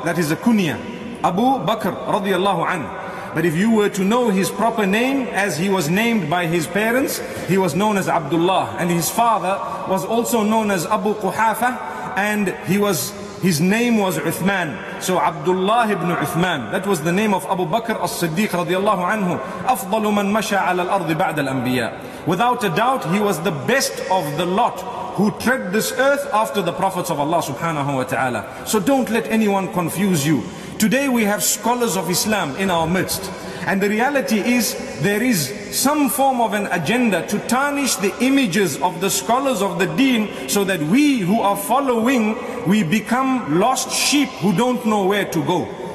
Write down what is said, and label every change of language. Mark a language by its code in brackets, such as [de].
[en] That is a kunya, Abu Bakr radiyallahu anhu. But if you were to know his proper name, as he was named by his parents, he was known as Abdullah, and his father was also known as Abu Quhafa, and his name was Uthman. So Abdullah ibn Uthman, that was the name of Abu Bakr as-Siddiq radiyallahu anhu. [ar] أفضل من مشى على الأرض بعد الأنبياء. [en] Without a doubt, he was the best of the lot who tread this earth after the prophets of Allah subhanahu wa ta'ala. So don't let anyone confuse you. Today we have scholars of Islam in our midst. And the reality is, there is some form of an agenda to tarnish the images of the scholars of the deen, so that we who are following, we become lost sheep who don't know where to go.